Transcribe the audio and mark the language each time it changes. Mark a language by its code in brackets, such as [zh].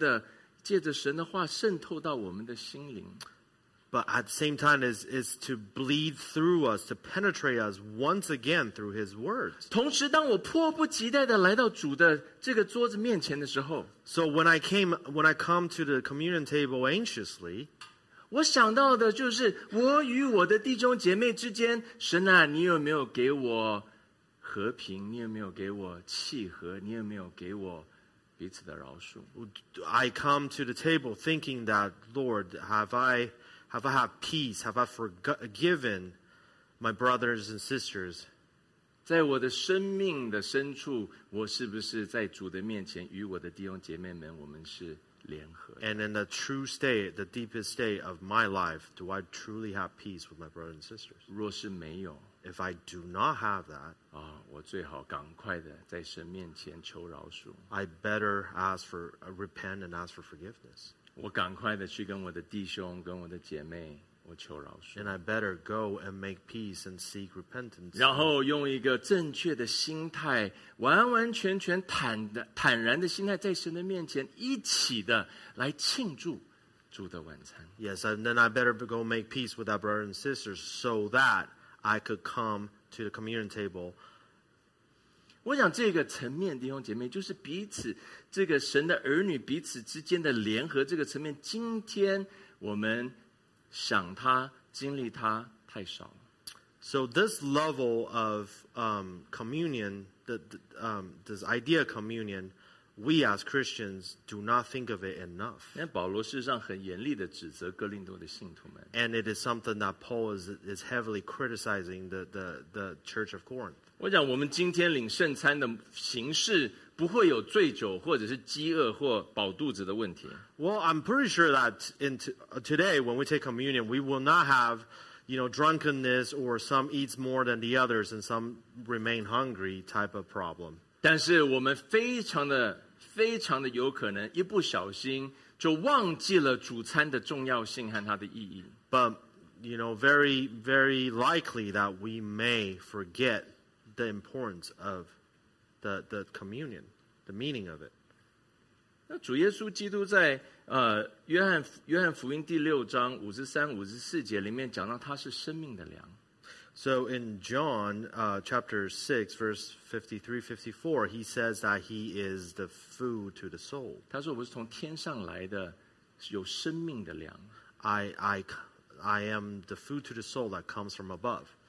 [zh] 更是让他渗再次的借着神的话渗透到我们的心灵, [en] but at the same time is to bleed through us, to penetrate us once again through his words. [zh] 同时当我迫不及待地来到主的这个桌子面前的时候, [en] so when I come to the communion table anxiously, [zh] 我想到的就是我与我的弟兄姐妹之间神啊你有没有给我 和平, 你有没有给我契合, 你有没有给我彼此的饶恕? [en] I come to the table thinking that, Lord, have I had peace? Have I forgiven my brothers and sisters? [zh] 在我的生命的深处, 我是不是在主的面前, 与我的弟兄姐妹们, 我们是联合的? [en] And in the true state, the deepest state of my life, do I truly have peace with my brothers and sisters? [zh] 若是没有, [en] if I do not have that, [zh] 哦, 我最好赶快的在神面前求饶恕, [en] I better ask for repent and ask for forgiveness. [zh] 我赶快的去跟我的弟兄跟我的姐妹我求饶恕, [en] and I better go and make peace and seek repentance. [zh] 然后用一个正确的心态, 完完全全坦然的心态在神的面前一起的来庆祝, [en] yes, and then I better go make peace with our brothers and sisters so that I could come to the communion table. [zh] 我想这个层面, 弟兄姐妹, 就是彼此, 这个神的儿女, 彼此之间的联合, 这个层面, 今天我们想他, 经历他, [en] so this level of communion, this idea of communion, we as Christians do not think of it enough. [zh] 保罗事实上很严厉地指责哥林多的信徒们, [en] and it is something that Paul is heavily criticizing the Church of Corinth. [zh] 我讲我们今天领圣餐的形式不会有醉酒或者是饥饿或饱肚子的问题。 [en] Well, I'm pretty sure that today when we take communion, we will not have you know, drunkenness or some eats more than the others and some remain hungry type of problem. [zh] 但是我们非常的有可能一不小心就忘记了主餐的重要性和它的意义。 [en] But, you know, very, very likely that we may forget the importance of the communion, the meaning of it. [zh] 那主耶稣基督在约翰福音第六章53-54节里面讲到他是生命的粮。 [en] So in John chapter 6, verse 53-54, he says that he is the food to the soul. [zh] 他说我是从天上来的有生命的粮。 [en] I am the food to the soul that comes from above.